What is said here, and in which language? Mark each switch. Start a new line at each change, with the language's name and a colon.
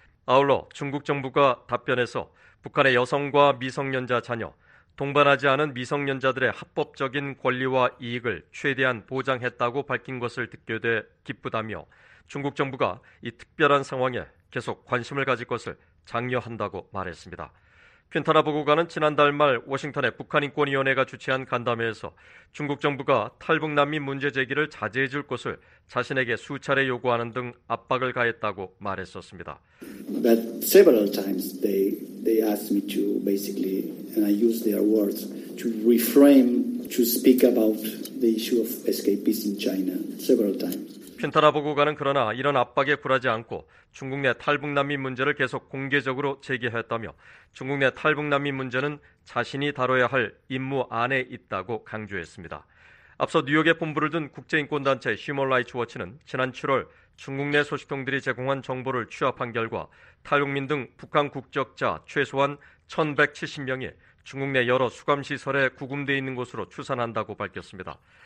Korean: 아울러 중국 정부가 답변에서 북한의 여성과 미성년자 자녀, 동반하지 않은 미성년자들의 합법적인 권리와 이익을 최대한 보장했다고 밝힌 것을 듣게 돼 기쁘다며 중국 정부가 이 특별한 상황에 계속 관심을 가질 것을 장려한다고 말했습니다. 퀸타나 보고관은 지난달 말 워싱턴의 북한인권위원회가 주최한 간담회에서 중국 정부가 탈북난민 문제 제기를 자제해 줄 것을 자신에게 수차례 요구하는 등 압박을 가했다고 말했었습니다.
English: But several times they asked me to basically, and I use their words, to reframe to speak about the issue of escapees in China several times.
Korean: 핀타나 보고관은 그러나 이런 압박에 굴하지 않고 중국 내 탈북난민 문제를 계속 공개적으로 제기했다며 중국 내 탈북난민 문제는 자신이 다뤄야 할 임무 안에 있다고 강조했습니다. 앞서 뉴욕에 본부를 둔 국제인권단체 휴먼 라이츠 워치는 지난 7월 중국 내 소식통들이 제공한 정보를 취합한 결과 탈북민 등 북한 국적자 최소한 1170명이 중국 내 여러 수감시설에 구금돼 있는 것으로 추산한다고 밝혔습니다.